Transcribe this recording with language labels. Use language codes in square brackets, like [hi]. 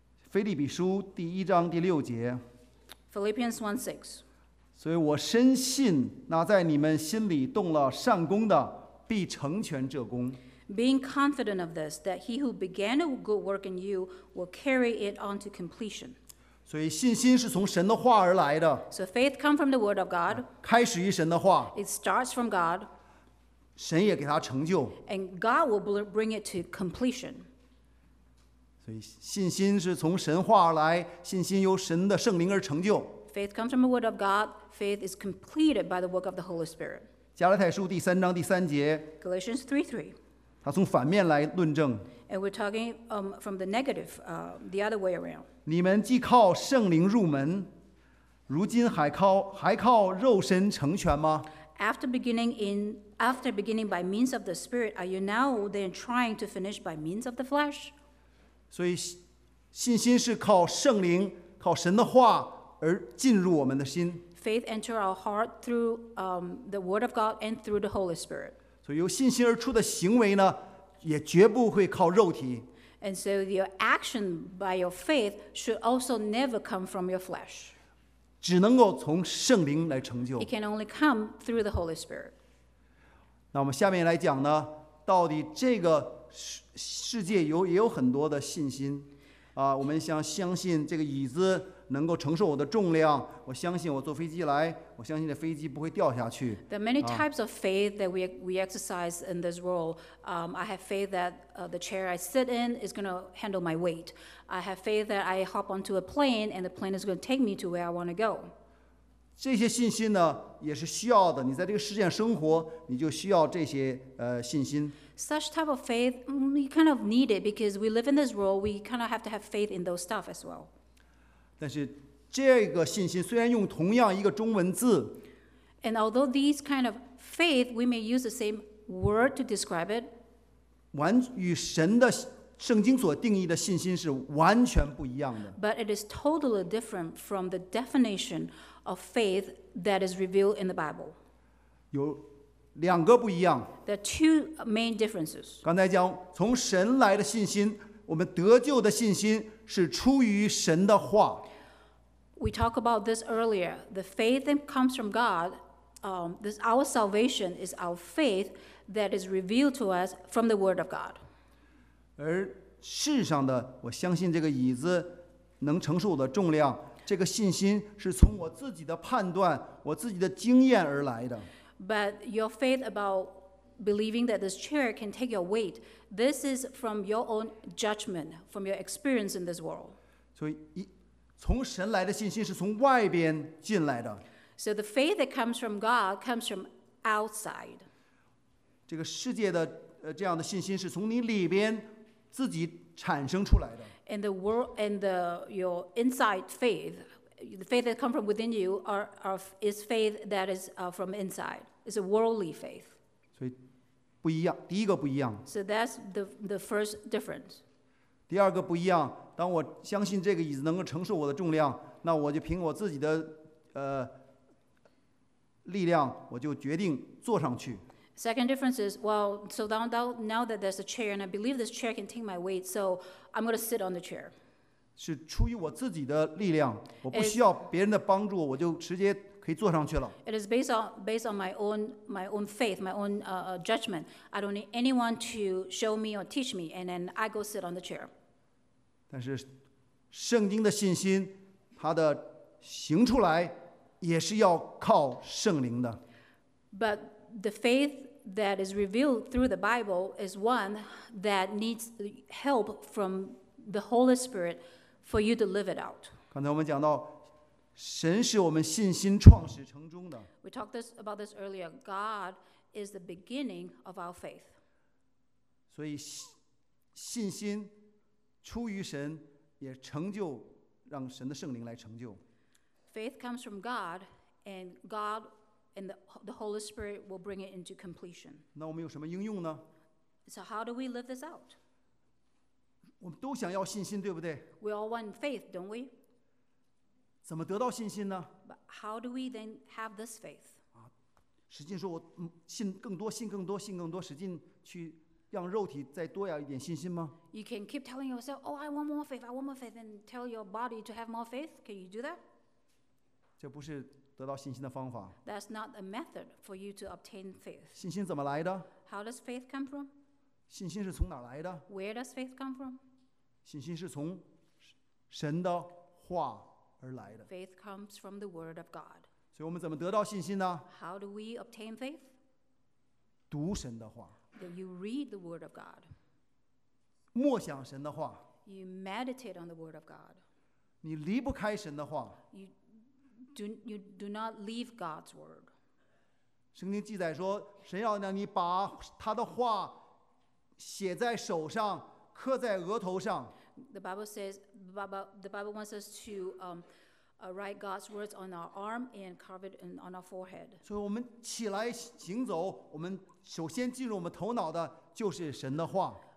[zh] 腓立比书第一章第六节。 [en] Philippians 1:6. [zh] 所以我深信，那在你们心里动了善功的，必成全这功。 [en] Being confident of this, that he who began a good work in you will carry it on to completion. [zh] 所以信心是从神的话而来的。 [en] So faith comes from the word of God. [zh] 开始于神的话。 [en] It starts from God. [zh] 神也给他成就。 [en] And God will bring it to completion. [zh] 所以信心是从神话而来，信心由神的圣灵而成就。 [en] Faith comes from the word of God. Faith is completed by the work of the Holy Spirit. [zh] 加拉太书第三章第三节。 [en] Galatians 3:3. [zh] 他从反面来论证。 [en] And we're talking from the negative, the other way around. [zh] 你们既靠圣灵入门，如今还靠肉身成全吗？ [en] After beginning by means of the Spirit, are you now then trying to finish by means of the flesh? [zh] 所以信心是靠圣灵，靠神的话而进入我们的心。 [en] Faith enter our heart through the Word of God and through the Holy Spirit. [zh] 所以由信心而出的行为呢，也绝不会靠肉体。 [en] And so your action by your faith should also never come from your flesh. [zh] 只能够从圣灵来成就。 [en] It can only come through the Holy Spirit. [zh] 那我们下面来讲呢，到底这个世界有也有很多的信心啊，我们相信这个椅子能够承受我的重量，我相信我坐飞机来，我相信这飞机不会掉下去。 [en] There are many types of faith that we exercise in this world. I have faith that the chair I sit in is going to handle my weight. I have faith that I hop onto a plane and the plane is going to take me to where I want to go. [zh] 这些信心呢，也是需要的。你在这个世界生活，你就需要这些信心。 [en] Such type of faith, we kind of need it because we live in this world. We kind of have to have faith in those stuff as well. [zh] 但是这个信心虽然用同样一个中文字 [en] And although these kind of faith, we may use the same word to describe it, [zh] 与神的圣经所定义的信心是完全不一样的 [en] But it is totally different from the definition of faith that is revealed in the Bible. [zh] 有两个不一样 [en] There are two main differences. [zh] 刚才讲从神来的信心我们得救的信心是出于神的话。 [en] We talked about this earlier. The faith that comes from God, this our salvation is our faith that is revealed to us from the Word of God. [zh] 而世上的，我相信这个椅子能承受我的重量，这个信心是从我自己的判断、我自己的经验而来的。 [en] But your faith about believing that this chair can take your weight, this is from your own judgment, from your experience in this world. [zh] 所以从神来的信心是从外边进来的。 [en] So the faith that comes from God comes from outside. [zh] 这个世界的这样的信心是从你里边自己产生出来的。 [en] And the world and the your inside faith, the faith that comes from within you is faith that is from inside. It's a worldly faith. [zh] 所以不一样，第一个不一样。 [en] So that's the first difference. [zh] 第二个不一样，当我相信这个椅子能够承受我的重量，那我就凭我自己的力量，我就决定坐上去。 [en] Second difference is, well, so now that there's a chair and I believe this chair can take my weight, so I'm going to sit on the chair. [zh] 是出于我自己的力量，我不需要别人的帮助，我就直接可以坐上去了。 [en] It is based on my own faith, my own judgment. I don't need anyone to show me or teach me, and then I go sit on the chair. [zh] 但是圣经的信心，它的行出来也是要靠圣灵的。 [en] But the faith that is revealed through the Bible is one that needs help from the Holy Spirit for you to live it out. [zh] 刚才我们讲到。神是我们信心创始成终的。 [en] We talked about this earlier. God is the beginning of our faith. [zh] 所以信心出于神，也成就让神的圣灵来成就。 [en] Faith comes from God, and God and the Holy Spirit will bring it into completion. [zh] 那我们有什么应用呢 [en] ？So how do we live this out? [zh] 我们都想要信心，对不对 [en] ？We all want faith, don't we? [zh] 怎么得到信心呢 [en] But how do we then have this faith? [zh] 使劲说我信更多信更多信更多使劲去让肉体再多要一点信心吗 [en] You can keep telling yourself, oh, I want more faith, I want more faith, and tell your body to have more faith. Can you do that? [zh] 这不是得到信心的方法 [en] That's not a method for you to obtain faith. [zh] 信心怎么来的 [en] How does faith come from? [zh] 信心是从哪来的 [en] Where does faith come from? [zh] 信心是从神的话 [en] Faith comes from the Word of God. [zh] 所以我们怎么得到信心呢 [en] ？How do we obtain faith? [zh] 读神的话。 [en] That you read the Word of God. [zh] 默想神的话。 [en] You meditate on the Word of God. [zh] 你离不开神的话。 [en] You do not leave God's Word. [zh] 圣经记载说，神要让你把他的话写在手上，刻在额头上。 [en] The Bible says, the Bible wants us to write God's words on our arm and carve it on our forehead. [zh] 所以我们起来行走，我们首先进入我们头脑的就是神的话。